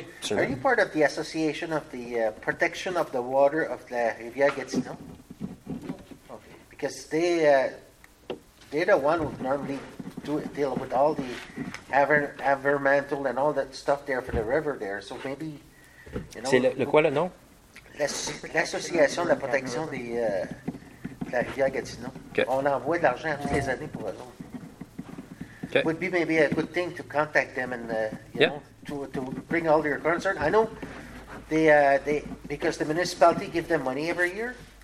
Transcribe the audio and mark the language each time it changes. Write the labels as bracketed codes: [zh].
[en] are you part of the Association of the Protection of the Water of the Rivière Gatineau? Okay. Because they're the one who normally deal with all the environmental and all that stuff there for the river there. So maybe, you know. [fr] C'est le quoi le nom? L'Association de la Protection des la Rivière Gatineau. [en] Okay. [fr] On envoie de l'argent toutes les années pour eux. [en] Okay. Would be maybe a good thing to contact them and to bring all your concerns. I know they because the municipality give them money every year.